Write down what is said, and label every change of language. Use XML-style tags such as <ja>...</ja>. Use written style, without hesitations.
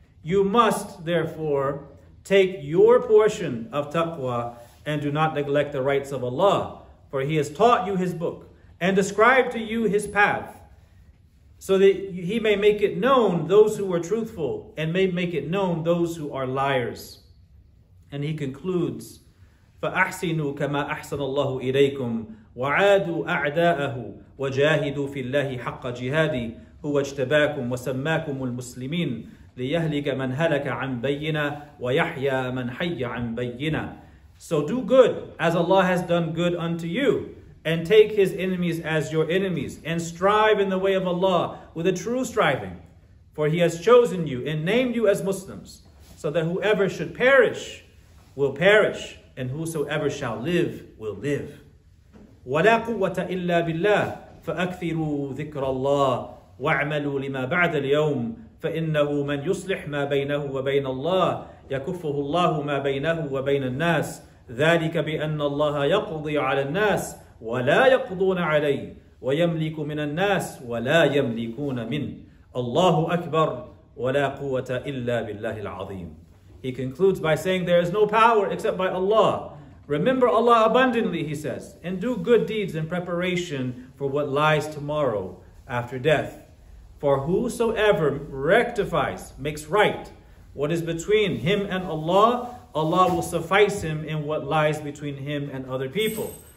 <en>You must, therefore, take your portion of taqwa and do not neglect the rights of Allah, for he has taught you his book and described to you his path, so that he may make it known those who were truthful and may make it known those who are liars. And he concludes,</en> <ar>فَأَحْسِنُوا كَمَا أَحْسَنَ اللَّهُ إِلَيْكُمْ وَعَادُوا أَعْدَاءَهُ وَجَاهِدُوا فِي اللَّهِ حَقَّ جِهَادِي هُوَ اجْتَبَاكُمْ وَسَمَّاكُمُ الْمُسْلِمِينَ لِيَهْلِكَ مَنْ هَلَكَ عَنْ بَيِّنَا وَيَحْيَى مَنْ حَيَّ عَنْ بَيِّنَا.</ar> <en>So do good as Allah has done good unto you, and take his enemies as your enemies, and strive in the way of Allah with a true striving. For he has chosen you and named you as Muslims, so that whoever should perish will perish, and whosoever shall live will live.</en> <ar>وَلَا قُوَّةَ إِلَّا بِاللَّهِ فَأَكْثِرُوا ذِكْرَ اللَّهِ وَاعْمَلُوا لِمَا بَعْدَ الْيَوْمِ فَإِنَّهُ مَنْ يُصْلِحْ مَا بَيْنَهُ وَبَيْنَ اللَّهِ يَكُفُّهُ اللَّهُ مَا بَيْنَهُ وَبَيْنَ النَّاسِ ذَلِكَ بِأَنَّ اللَّهَ يَقْضِي عَلَى النَّاسِ وَلَا يَقْضُونَ عَلَيْهِ وَيَمْلِكُ مِنَ النَّاسِ وَلَا يَمْلِكُونَ مِنْ اللَّهُ أَكْبَرُ وَلَا قُوَّةَ إِلَّا بِاللَّهِ الْعَظِيمِ.</ar> <en>He concludes by saying, there is no power except by Allah. Remember Allah abundantly, he says, and do good deeds in preparation for what lies tomorrow after death. For whosoever rectifies, makes right what is between him and Allah, Allah will suffice him in what lies between him and other people.</en>